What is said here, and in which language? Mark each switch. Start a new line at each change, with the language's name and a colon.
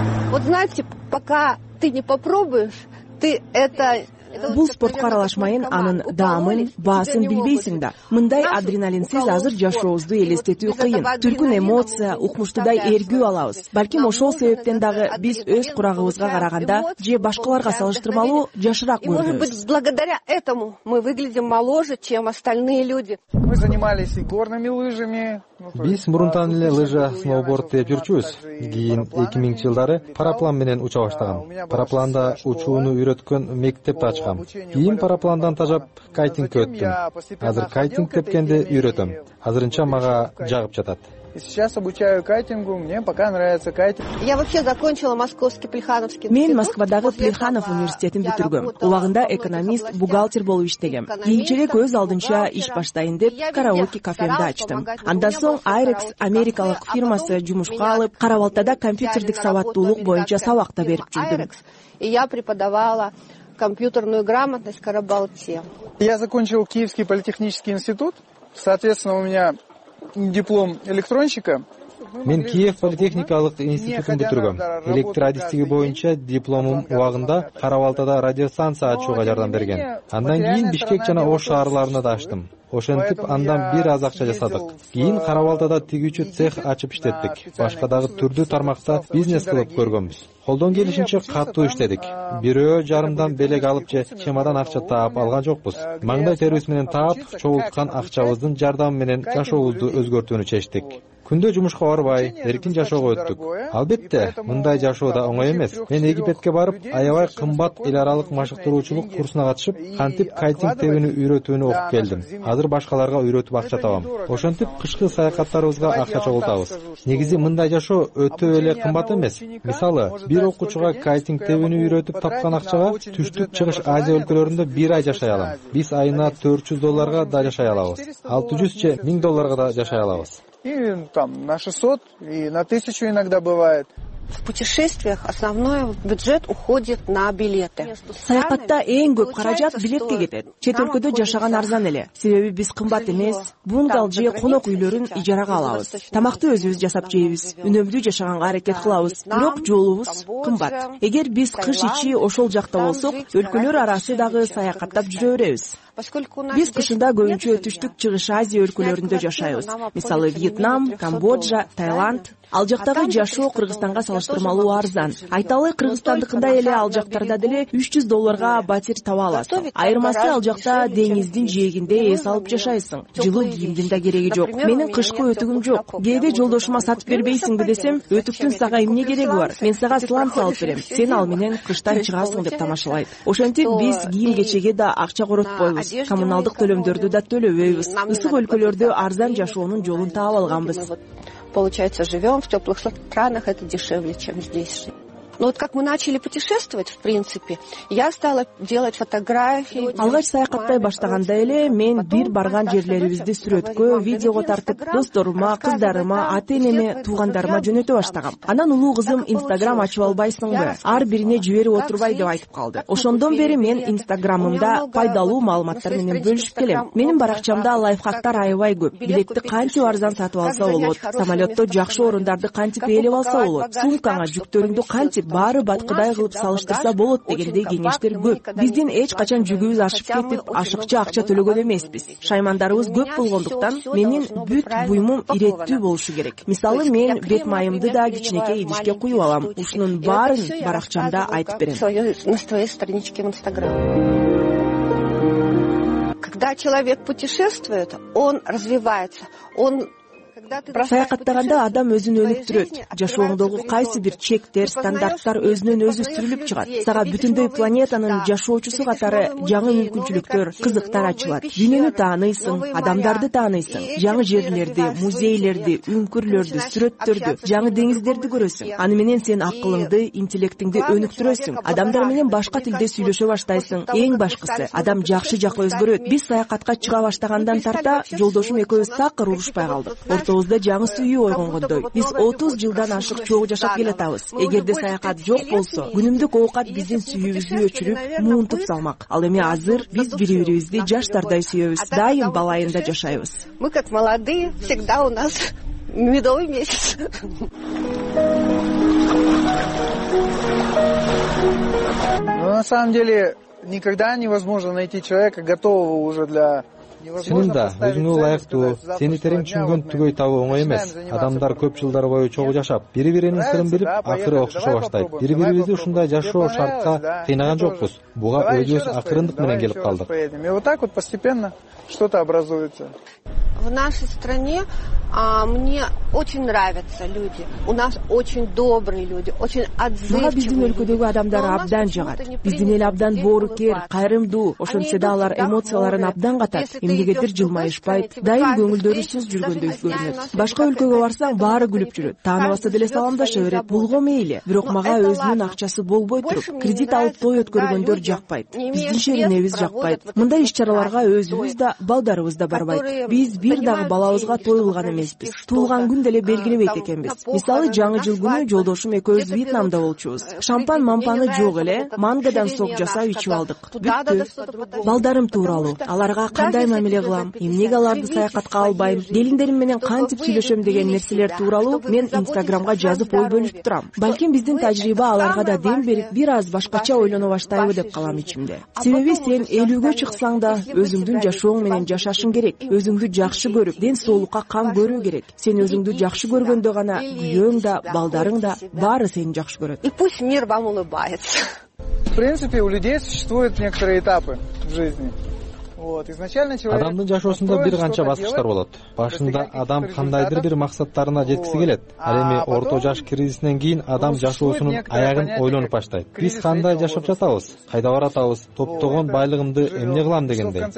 Russian: Вот знаете, пока ты не попробуешь, ты это...
Kyrgyz: Бул спортко аралашмайын анын даамын, баасын билбейсиң да. Мындай адреналинсиз азыр жашообузду элестетүү кыйын. Түркүн эмоция, укмуштудай эргүү алабыз. Балким ошол себептен дагы биз өз курагыбызга караганда же башкаларга салыштырмалуу жашыраак көрүнөбүз.
Russian: Может быть, благодаря этому мы выглядим моложе, чем остальные люди. Мы занимались и горными лыжами.
Kyrgyz: Биз мурунтан эле лыжа, сноуборд деп жүрчүбүз. Кийин 2000-чи жылдары параплан менен уча баштагам. Парапланда учууну үйрөткөн мектеп ачкам. Кийин параплондон тажап кайтингке өттүм. Азыр кайтинг тепкенде үйрөтөм. Азырынча мага жагып жатат.
Russian: Сейчас обучаю кайтингу, мне пока нравится кайтинг. Я вообще закончила Московский Плехановский институт.
Kyrgyz: Мен Москвадагы Плеханов университетин бүтүргөм. Улагында экономист, бухгалтер болуп иштегем. Кийинчерээк өз алдынча иш баштайын деп караоке кафенди ачтым. Андан соң Irex америкалык фирмасы жумушка алып, Карабалтада компьютердик сабаттуулук боюнча сабак да берип жүрдүм.
Russian: Я преподавала компьютерную грамотность в Карабалте. Я закончил Киевский политехнический институт. Соответственно, у меня диплом электронщика.
Kyrgyz: Мен Киев политехникалык институтун бүтүргөм. Электродистиги боюнча дипломум убагында Карабалтада радиостанция ачууга жардам берген. Андан кийин Бишкек жана Ош шаарларына да ачтым. Ошентип андан бир аз акча жасадык. Кийин Карабалтада тигүүчү цех ачып иштеттик. Башка дагы түрдүү тармакта бизнес кылып көргөнбүз. Колдон келишинче катуу иштедик. Бирөө жарымдан белек алып же чемадан акча таап алган жокпуз. Маңдай терибиз менен таап чогулткан акчабыздын жардамы менен жашообузду өзгөртүүнү чечтик. Күндө жумушка барбай, эркин жашоого өттүк. Албетте, мындай жашоо да оңой эмес. Мен Египетке барып, аябай кымбат эл аралык машыктыруучулук курсуна катышып, кантип кайтинг тебүүнү үйрөтүүнү окуп келдим. Азыр башкаларга үйрөтүп акча табам. Ошентип, кышкы саякаттарыбызга акча чогултабыз. Негизи мындай жашоо өтө эле кымбат эмес. Мисалы, бир окуучуга кайтинг тебүүнү үйрөтүп тапкан акчага түштүк чыгыш Азия өлкөлөрүндө бир ай жашай алам. Биз айына $400 да жашай алабыз. 600 же 1000 долларга да жашай алабыз.
Russian: И там на 600, и на 1000 иногда бывает. В путешествиях основной бюджет уходит на билеты.
Kyrgyz: Саякатта эң көп каражат билетке кетет. Чет өлкөдө жашаган арзан эле. Себеби биз кымбат эмес, бунгал же конок үйлөрүн ижарага алабыз. Тамакты өзүбүз жасап жейбиз. Үнөмдүү жашаганга аракет кылабыз. Бирок жолубуз кымбат. Эгер биз кыш ичи ошол жакта болсок, өлкөлөр арасы дагы саякаттап жүрө беребиз. Биз кышында көбүнчө түштүк чыгыш Азия өлкөлөрүндө жашайбыз. Мисалы, Вьетнам, Камбоджа, Таиланд. Ал жактагы жашоо Кыргызстанга салыштырмалуу арзан. Айталы, Кыргызстандыкындай эле ал жактарда деле $300 батир таба аласың. Айырмасы ал жакта деңиздин жээгинде эс алып жашайсың. Жылуу кийимдин да кереги жок. Менин кышкы өтүгүм жок. Кээде жолдошума сатып бербейсиңби десем, өтүктүн сага эмне кереги бар? Мен сага сланца алып берем. Сен ал менен кыштан чыгасың деп тамашалайт. Ошентип биз кийим кечеге да акча коротпойбуз. Коммуналдык төлөмдөрдү да төлөбөйбүз. Ысык өлкөлөрдө арзан жашоонун жолун таап алганбыз.
Russian: Получается, живем в теплых странах, это дешевле, чем здесь жить. Но вот как мы начали путешествовать, в принципе, я стала делать фотографии.
Kyrgyz: Алгач саякаттай баштаганда эле мен бир барган жерлерибизди сүрөткө, видеого тартып, досторума, кыздарыма, ата-энеме, туугандарыма жөнөтө баштагам. Анан улуу кызым Instagram ачып албайсыңбы? Ар бирине жиберип отурбай деп айтып калды. Ошондон бери мен Instagram'ымда пайдалуу маалыматтар менен бөлүшүп келем. Менин баракчамда лайфхактар аябай көп. Билетти кантип арзан сатып алса болот? Самолетто жакшы орундарды кантип ээлеп алса болот? Сумкаңа жүктөрүңдү кантип баары баткыдай кылып салыштырса болот дегендей кеңештер көп. Биздин эч качан жүгүбүз ашып кетип, ашыкча акча төлөгөн эмеспиз. Шаймандарыбыз көп болгондуктан менин бүт буюмум иреттүү болушу керек. Мисалы, мен бет майымды да кичинекей идишке куюп алам. Ушунун баарын баракчамда айтып берем.
Russian: На своей страничке в Инстаграм. Когда человек путешествует, он развивается. Он
Kyrgyz: саякаттаганда адам өзүн өнүктүрөт. Жашооңдогу кайсы бир чектер, стандарттар өзүнөн өзү сүрүлүп чыгат. Сага бүтүндөй планетанын жашоочусу катары жаңы мүмкүнчүлүктөр, кызыктар ачылат. Дүйнөнү тааныйсың, адамдарды тааныйсың. Жаңы жерлерди, музейлерди, үңкүрлөрдү, сүрөттөрдү, жаңы деңиздерди көрөсүң. Аны менен сен акылыңды, интеллектиңди өнүктүрөсүң. Адамдар менен башка тилде сүйлөшө баштайсың. Эң башкысы, адам жакшы жакка өзгөрөт. Биз саякатка чыга баштагандан тарта жолдошум экөөбүз такыр урушпай калдык. Ортобузда жаңы сүйүү ойгонгондой. Биз 30 жылдан ашык чогуу жашап келатабыз. Эгерде саякат жок болсо, күнүмдүк оокат биздин сүйүүбүздү өчүрүп, муунтуп салмак. Ал эми азыр биз бири-бирибизди жаштардай сүйөбүз, дайым балайында жашайбыз.
Russian: Мы как молодые, всегда у нас медовый месяц. Но на самом деле никогда невозможно найти человека готового уже для.
Kyrgyz: Сенин да, өзүңө ылайыктуу, сени терең түшүнгөн түгөй табуу оңой эмес. Адамдар көп жылдар бою чогуу жашап, бири биринин сырын билип, акыры окшошо баштайт. Бири бирибизди ушундай жашоо шартка кыйнаган жокпуз. Буга өзүбүз акырындык менен келип калдык.
Russian: И вот так вот постепенно что-то образуется. В нашей стране мне очень нравятся люди. У нас очень добрые люди, очень отзывчивые люди.
Kyrgyz: Мага биздин өлкөдөгү адамдар абдан жагат. Биздин эл абдан боорукер, кайрымдуу. Ошентсе да алар эмоцияларын абдан катат. Эмгегетир жылмайышпайт. Дайым көңүлдөрүсүз жүргөндөй көрүнөт. Башка өлкөгө барсаң, баары күлүп жүрөт. Тааныбаса деле саламдаша берет. Булго мейли. Бирок мага өзүнүн акчасы болбой туруп, кредит алып той өткөргөндөр жакпайт. Биздин шеринебиз жакпайт. Мындай иш-чараларга өзүбүз да, балдарыбыз да барбайт. Биз бир дагы балабызга той кылган эмеспиз. Туулган күн деле белгилебейт экенбиз. Мисалы, жаңы жыл күнү жолдошум экөөбүз Вьетнамда болчубуз. Шампан мампаны жок эле, мангадан сок жасап ичип алдык. Бүттү. Балдарым тууралуу, аларга кандай мамиле кылам, эмнеге аларды саякатка албайм, келиндерим менен кантип сүйлөшөм деген нерселер тууралуу мен Инстаграмга жазып ой бөлүшүп турам. Балким биздин тажрыйба аларга да дем берип, бир аз башкача ойлоно баштайбы деп калам ичимде. Себеби сен элүүгө чыксаң да өзүңдүн жашооң менен жашашың керек. Өзүңдү жакшы көрүп, ден соолукка кам көрүү керек. Сен өзүңдү жакшы көргөндө гана күйөөң да, балдарың да баары сени жакшы көрөт.
Russian: И пусть мир вам улыбается. В принципе, у людей существуют некоторые этапы в жизни.
Kyrgyz: Адамдын жашоосунда бир канча баскычтар болот. Башында адам кандайдыр бир максаттарына жеткиси келет. Ал эми орто жаш кризисинен кийин адам жашоосунун аягын ойлонуп баштайт. Биз кандай жашап жатабыз? Кайда баратабыз? Топтогон байлыгымды эмне кылам дегендей.